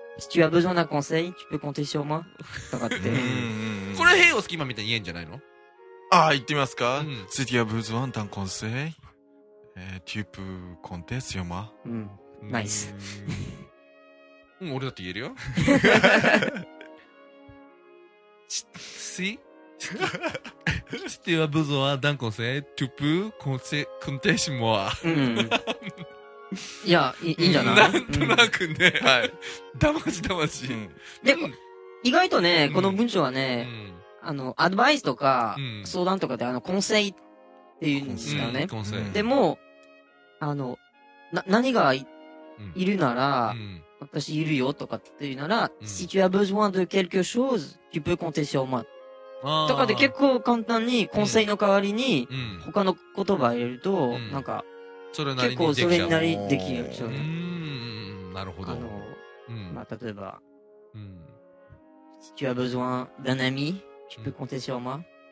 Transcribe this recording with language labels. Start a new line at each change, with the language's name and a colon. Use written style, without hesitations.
French: Si tu as besoin d'un conseil, tu peux compter sur moi?
Japanese: とかって。これ、ヘイオスキーマンみたいに言えんじゃないの？あ、言ってみますか？
French: Si tu as besoin d'un conseil, tu peux compter sur moi?
Japanese: うん。ナイス。俺だって言えるよ。
French: Si tu as besoin d'un conseil, tu peux compter sur moi?
Japanese: うん。いや、いいんじゃない？なんとなくね、はい。だましだまし。で、意外とね、この文章はね、あの、アドバイスとか、相談とかで、あの、コンセイっていうんですよね。コンセイ。でも、あの、何がいるなら、私いるよとかっていうなら、
French: Si tu as besoin de quelque chose, tu peux compter sur moi。
Japanese: とかで結構簡単に、コンセイの代わりに、他の言葉を入れると、なんか、それなりに結構それになりできるよ。なるほど。
French: あの、まあ、例えば、Si tu as besoin d'un ami, tu peux compter sur moi.